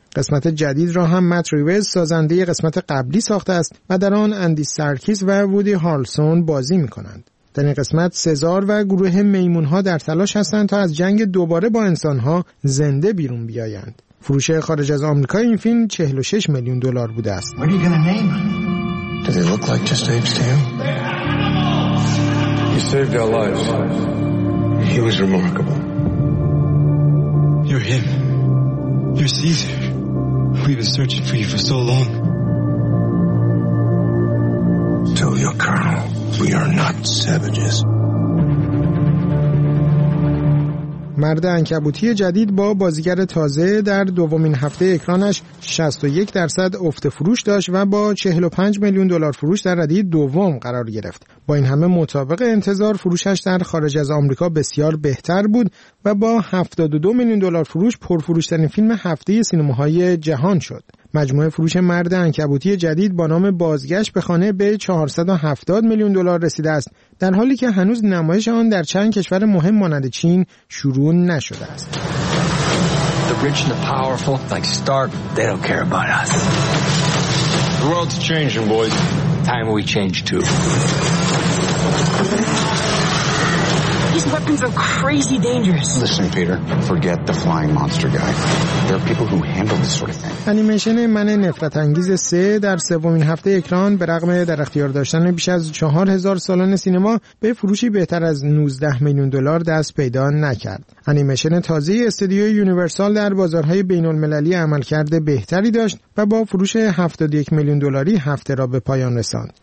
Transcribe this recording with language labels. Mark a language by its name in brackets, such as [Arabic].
[Persian] قسمت جدید را هم مت ریوز سازنده قسمت قبلی ساخته است و در آن اندی سرکیس و وودی هارلسون بازی می‌کنند. در این قسمت سزار و گروه میمونها در تلاش هستند تا از جنگ دوباره با انسانها زنده بیرون بیایند. فروش خارج از آمریکا این فیلم 46 میلیون دلار بوده است. [English] What are you gonna name? Do they look like just apes to you? He saved our lives. He was remarkable. You're him. You're Caesar. We've been searching for you for so long. Tell your colonel, we are not savages. [Persian] مرد عنکبوتی جدید با بازیگر تازه در دومین هفته اکرانش 61% افت فروش داشت و با 45 میلیون دلار فروش در ردیه دوم قرار گرفت. با این همه مطابق انتظار فروشش در خارج از آمریکا بسیار بهتر بود و با 72 میلیون دلار فروش پرفروش‌ترین فیلم هفته سینماهای جهان شد. مجموعه فروش مرد عنکبوتی جدید با نام بازگشت به خانه به 470 میلیون دلار رسیده است، در حالی که هنوز نمایش آن در چند کشور مهم مانند چین شروع نشده است. [English] The rich and the powerful like Stark, they don't care about us. The world's changing, boys. Time we change too. These weapons are crazy dangerous. Listen, Peter, forget the flying monster guy. There are people who handle this sort of thing. [Persian] انیمیشن من نفرت انگیز 3 در سومین هفته اکران به رغم در اختیار داشتن بیش از 4000 سالن سینما به فروشی بهتر از 19 میلیون دلار دست پیدا نکرد. انیمیشن تازه استودیوی یونیورسال در بازارهای بین المللی عملکرد بهتری داشت و با فروش 71 میلیون دلاری هفته را به پایان رساند.